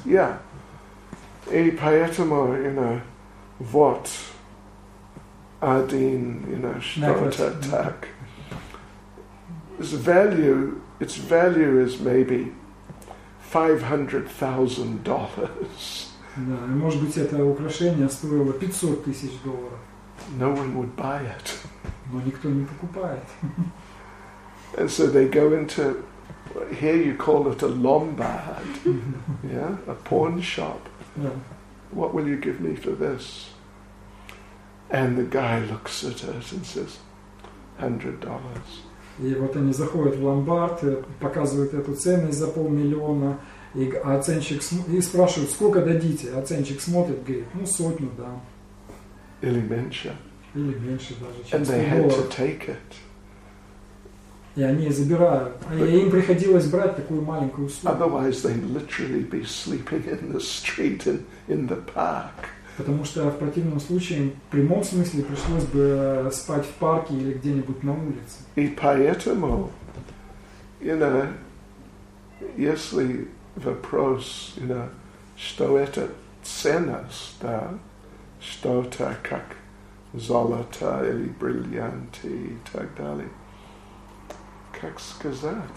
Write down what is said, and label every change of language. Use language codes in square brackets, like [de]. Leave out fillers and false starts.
[ru] yeah. И поэтому, [en] you know, [ru] вот один, you know, что-то так. [en] Its value is maybe $500,000. [ru] Да, может быть, это украшение стоило $500,000. [en] No one would buy it. [ru] Но никто не покупает. [en] And so they go into, here you call it a Lombard, yeah, a pawn shop. Yeah. What will you give me for this? And the guy looks at it and says, $100. [ru] И вот они заходят в ломбард, показывают эту ценность за полмиллиона, и оценщик спрашивает, сколько дадите? Оценщик смотрит, говорит, ну сотню дам. Или меньше. [en] And they had to take it. [ru] И они забирают. Им приходилось брать такую маленькую услугу. [en] Otherwise they'd literally be sleeping in the street and in the park. [ru] Потому что в противном случае, в прямом смысле, пришлось бы спать в парке или где-нибудь на улице. И поэтому, [en] you know, [ru] если вопрос, you know, что это ценность, да, что-то как золото или бриллианты и так далее, как сказать?